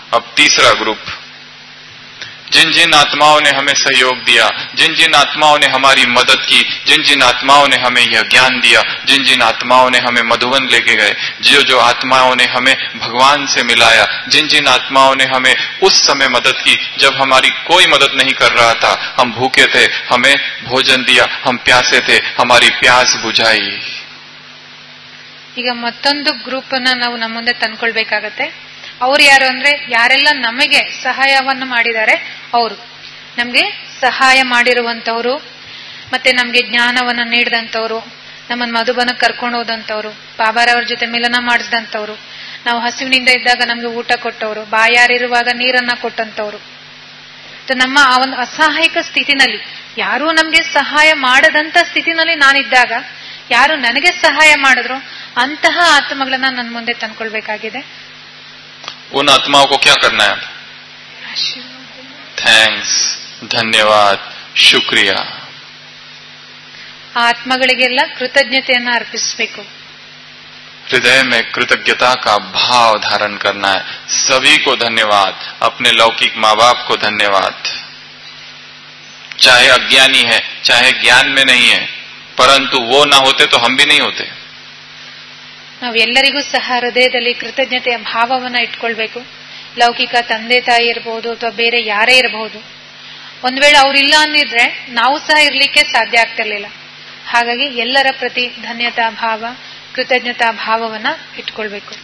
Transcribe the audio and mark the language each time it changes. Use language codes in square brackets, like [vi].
[hi] ಅಬ್ ತೀಸರಾ ಗ್ರೂಪ್, जिन जिन आत्माओं ने हमें सहयोग दिया, जिन जिन आत्माओं ने हमारी मदद की, जिन जिन आत्माओं ने हमें यह ज्ञान दिया, जिन जिन आत्माओं ने हमें मधुवन लेके गए, जो जो आत्माओं ने हमें भगवान से मिलाया, जिन जिन आत्माओं ने हमें उस समय मदद की जब हमारी कोई मदद नहीं कर रहा था, हम भूखे थे, हमें भोजन दिया, हम प्यासे थे, हमारी प्यास बुझाई. [kn] ಮತ್ತೊಂದು ಗ್ರೂಪ್ ಅನ್ನ ನಾವು ನಮ್ಮ ಮುಂದೆ ತಂದ್ಕೊಳ್ಬೇಕಾಗತ್ತೆ. ಅವರು ಯಾರು ಅಂದ್ರೆ, ಯಾರೆಲ್ಲ ನಮಗೆ ಸಹಾಯವನ್ನು ಮಾಡಿದ್ದಾರೆ ಅವರು, ನಮಗೆ ಸಹಾಯ ಮಾಡಿರುವಂತವರು, ಮತ್ತೆ ನಮಗೆ ಜ್ಞಾನವನ್ನು ನೀಡಿದಂಥವ್ರು, ನಮ್ಮನ್ನು ಮಧುಬನ ಕರ್ಕೊಂಡು ಹೋದಂಥವ್ರು, ಬಾಬಾರವರ ಜೊತೆ ಮಿಲನ ಮಾಡಿಸಿದಂಥವ್ರು, ನಾವು ಹಸಿವಿನಿಂದ ಇದ್ದಾಗ ನಮಗೆ ಊಟ ಕೊಟ್ಟವರು, ಬಾಯಾರಿರುವಾಗ ನೀರನ್ನ ಕೊಟ್ಟಂತವ್ರು, ನಮ್ಮ ಆ ಒಂದು ಅಸಹಾಯಕ ಸ್ಥಿತಿನಲ್ಲಿ ಯಾರು ನಮಗೆ ಸಹಾಯ ಮಾಡದಂತ ಸ್ಥಿತಿನಲ್ಲಿ ನಾನಿದ್ದಾಗ ಯಾರು ನನಗೆ ಸಹಾಯ ಮಾಡಿದ್ರು, ಅಂತಹ ಆತ್ಮಗಳನ್ನ ನನ್ನ ಮುಂದೆ ತಂದ್ಕೊಳ್ಬೇಕಾಗಿದೆ. [hi] उन आत्माओं को क्या करना है? थैंक्स, धन्यवाद, शुक्रिया. [kn] आत्मगळिगेल्ल कृतज्ञतेयन्न अर्पिसबेकु. [hi] हृदय में कृतज्ञता का भाव धारण करना है. सभी को धन्यवाद, अपने लौकिक माँ बाप को धन्यवाद, चाहे अज्ञानी है चाहे ज्ञान में नहीं है, परंतु वो ना होते तो हम भी नहीं होते. [kn] ನಾವೆಲ್ಲರಿಗೂ ಸಹ ಹೃದಯದಲ್ಲಿ ಕೃತಜ್ಞತೆಯ ಭಾವವನ್ನು ಇಟ್ಕೊಳ್ಬೇಕು. ಲೌಕಿಕ ತಂದೆ ತಾಯಿ ಇರಬಹುದು ಅಥವಾ ಬೇರೆ ಯಾರೇ ಇರಬಹುದು, ಒಂದ್ ವೇಳೆ ಅವರಿಲ್ಲ ಅಂದಿದ್ರೆ ನಾವು ಸಹ ಇರಲಿಕ್ಕೆ ಸಾಧ್ಯ ಆಗ್ತಿರಲಿಲ್ಲ. ಹಾಗಾಗಿ ಎಲ್ಲರ ಪ್ರತಿ ಧನ್ಯತಾ ಭಾವ, ಕೃತಜ್ಞತಾ ಭಾವವನ್ನ ಇಟ್ಕೊಳ್ಬೇಕು.